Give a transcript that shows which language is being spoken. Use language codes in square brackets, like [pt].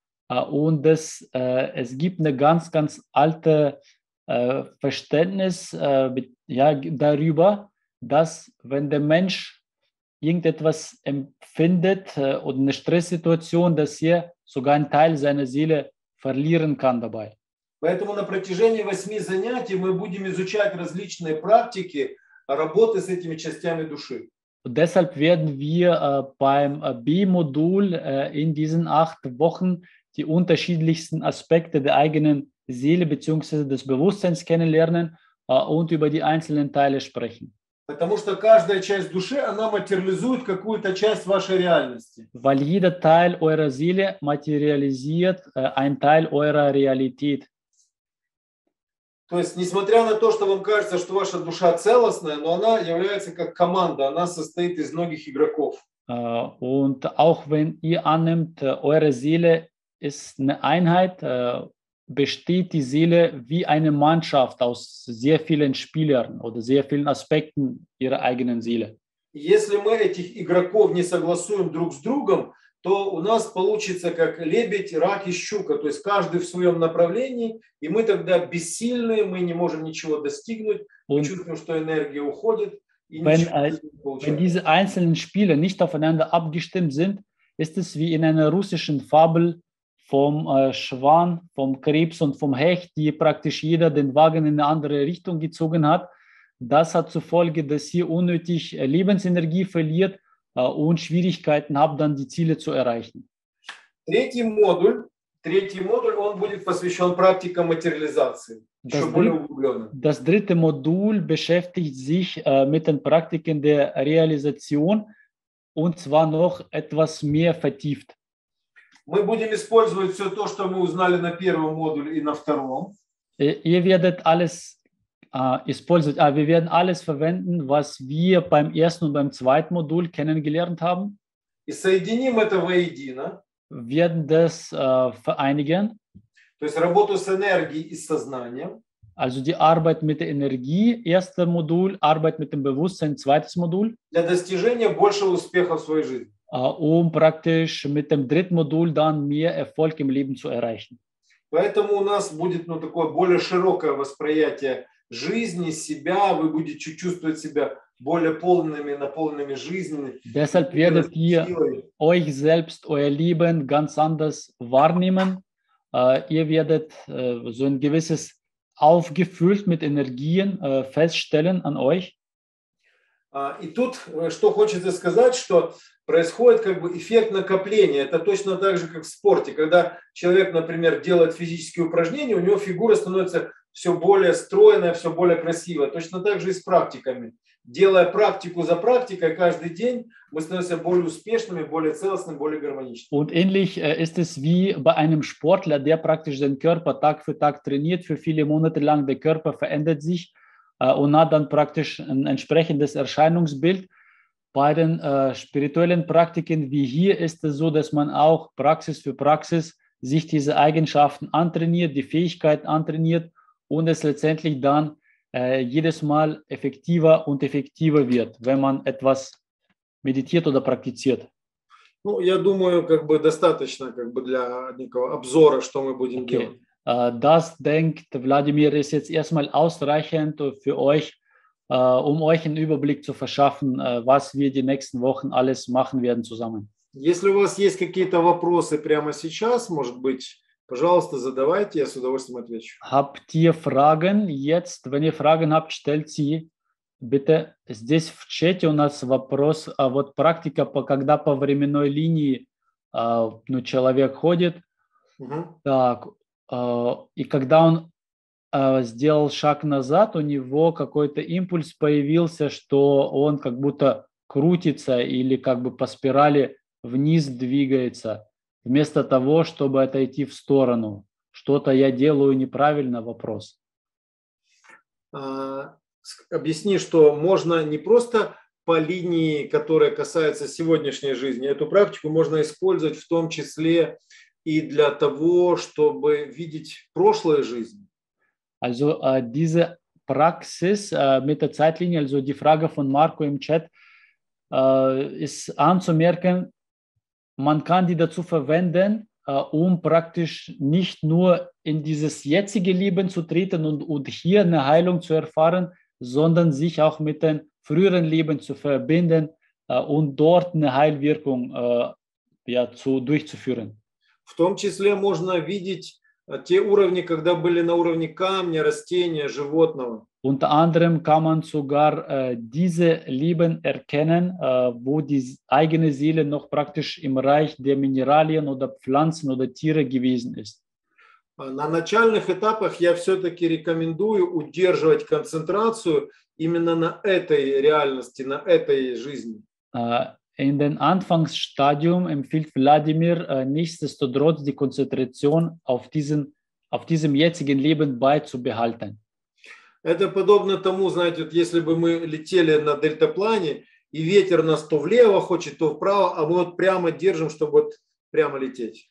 [de] Und das, es gibt eine ganz, ganz alte Verständnis darüber, dass wenn der Mensch irgendetwas empfindet oder eine Stresssituation, dass er sogar einen Teil seiner Seele verlieren kann dabei. [ru] Поэтому на протяжении 8 занятий мы будем изучать различные практики работы с этими частями души. [de] Und deshalb werden wir beim B-Modul in diesen 8 Wochen die unterschiedlichsten Aspekte der eigenen Seele bzw. des Bewusstseins kennenlernen und über die einzelnen Teile sprechen. [ru] Потому что каждая часть души, она материализует какую-то часть вашей реальности. [de] Weil jeder Teil eurer Seele materialisiert ein Teil eurer Realität. [ru] То есть, несмотря на то, что вам кажется, что ваша душа целостная, но она является как команда, она состоит из многих игроков. [de] Und auch wenn ihr annimmt, eure Seele ist eine Einheit, besteht die Seele wie eine Mannschaft aus sehr vielen Spielern oder sehr vielen Aspekten ihrer eigenen Seele. [ru] Если мы этих игроков не согласуем друг с другом, то у нас получится как лебедь, рак и щука, то есть каждый в своем направлении, и мы тогда бессильны, мы не можем ничего достигнуть, мы чувствуем, что энергия уходит, и ничего не получается. [de] Wenn diese einzelnen Spieler nicht aufeinander abgestimmt sind, ist es wie in einer russischen Fabel, vom Schwan, vom Krebs und vom Hecht, die praktisch jeder den Wagen in eine andere Richtung gezogen hat. Das hat zur Folge, dass ihr unnötig Lebensenergie verliert und Schwierigkeiten habt, dann die Ziele zu erreichen. [ru] Третий модуль, он будет посвящен практике материализации. [de] Das dritte Modul beschäftigt sich mit den Praktiken der Realisation und zwar noch etwas mehr vertieft. [ru] Мы будем использовать все то, что мы узнали на первом модуле и на втором. [de] Ihr werdet alles [ru] использовать, а [de] wir werden alles verwenden, was wir beim ersten und beim zweiten Modul kennengelernt haben. [ru] И соединим это воедино. [de] Werden das vereinigen. [ru] То есть работу с энергией и сознанием. [de] Also die Arbeit mit der Energie, erster Modul, Arbeit mit dem Bewusstsein, zweites Modul. [ru] Для достижения большего успеха в своей жизни. [de] Um praktisch mit dem dritten Modul dann mehr Erfolg im Leben zu erreichen. [ru] Поэтому у нас будет, ну, такое более широкое восприятие жизни себя, вы будете чувствовать себя более полными, наполненными жизнью. [de] Deshalb werdet ihr euch selbst, euer Leben ganz anders wahrnehmen. Ihr werdet so ein gewisses aufgefüllt mit Energien feststellen an euch. [ru] И тут, что хочется сказать, что происходит как бы эффект накопления. Это точно так же, как в спорте. Когда человек, например, делает физические упражнения, у него фигура становится все более стройная, все более красивая. Точно так же и с практиками. Делая практику за практикой каждый день, мы становимся более успешными, более целостными, более гармоничными. [de] Und ähnlich ist es wie bei einem Sportler, der praktisch den Körper Tag für Tag trainiert, für viele Monate lang der Körper verändert sich. Und hat dann praktisch ein entsprechendes Erscheinungsbild. Bei den spirituellen Praktiken wie hier ist es so, dass man auch Praxis für Praxis sich diese Eigenschaften antrainiert, die Fähigkeiten antrainiert und es letztendlich dann jedes Mal effektiver und effektiver wird, wenn man etwas meditiert oder praktiziert. [ru] Ну, я думаю, как бы достаточно как бы для некого обзора, что мы будем okay. делать. [de] Das denkt Wladimir ist jetzt erstmal ausreichend für euch, um euch einen Überblick zu verschaffen, was wir die nächsten Wochen alles machen werden zusammen. [ru] Если у вас есть какие-то вопросы прямо сейчас, может быть, пожалуйста, задавайте, я с удовольствием отвечу. [de] Habt ihr Fragen jetzt? Wenn ihr Fragen habt, stellt sie bitte. [ru] Здесь в чате у нас вопрос, а вот практика, когда по временной линии ну, человек ходит. Uh-huh. Так. И когда он сделал шаг назад, у него какой-то импульс появился, что он как будто крутится или как бы по спирали вниз двигается, вместо того, чтобы отойти в сторону. Что-то я делаю неправильно, вопрос. Объясни, что можно не просто по линии, которая касается сегодняшней жизни, эту практику можно использовать в том числе и для того, чтобы видеть прошлую жизнь. [de] Also diese Praxis mit der Zeitlinie, also die Frage von Marco im Chat, ist anzumerken, man kann die dazu verwenden, um praktisch nicht nur in dieses jetzige Leben zu treten und hier eine Heilung zu erfahren, sondern sich auch mit den früheren Leben zu verbinden und dort eine Heilwirkung ja, durchzuführen. [ru] В том числе можно видеть те уровни, когда были на уровне камня, растения, животного. [de] Unter anderem kann man sogar diese Leben erkennen, wo die eigene Seele noch praktisch im Reich der Mineralien oder Pflanzen oder Tiere gewesen ist. [ru] На начальных этапах я все-таки рекомендую удерживать концентрацию именно на этой реальности, на этой жизни. [de] In den Anfangsstadium empfiehlt Wladimir nichtsdestotrotz die Konzentration auf diesem jetzigen Leben beizubehalten. [ru] Это подобно тому, знаете, вот если бы мы летели на дельтаплане и ветер нас то влево хочет, то вправо, а мы вот прямо держим, чтобы вот прямо лететь.